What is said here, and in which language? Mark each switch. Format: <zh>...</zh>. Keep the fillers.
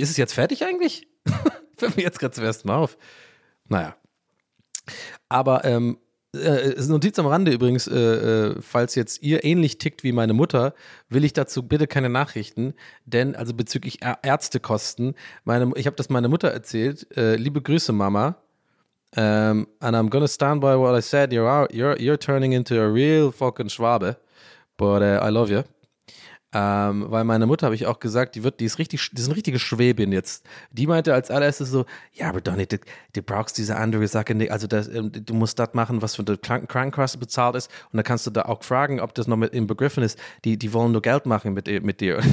<de>Ist es jetzt fertig eigentlich? fällt mir jetzt gerade zum ersten Mal auf. Naja. Aber ähm, äh, ist eine Notiz am Rande übrigens, äh, äh, falls jetzt ihr ähnlich tickt wie meine Mutter, will ich dazu bitte keine Nachrichten, denn also bezüglich Ar Ärztekosten, meine, ich habe das meiner Mutter erzählt, äh, liebe Grüße Mama.</de> <en>Um, and I'm gonna stand by what I said. You're, are, you're, you're turning into a real fucking Schwabe, but uh, I love you.</en> <de>Ähm, um, weil meine Mutter habe ich auch gesagt, die wird, die ist richtig, die ist ein richtiges Schwäbin jetzt. Die meinte als allererstes so, ja, aber Donny, du, du brauchst diese andere Sache nicht. Also das, du musst das machen, was von der Krankenkasse bezahlt ist. Und dann kannst du da auch fragen, ob das noch mit im Begriffen ist. Die, die wollen nur Geld machen mit, mit dir.</de>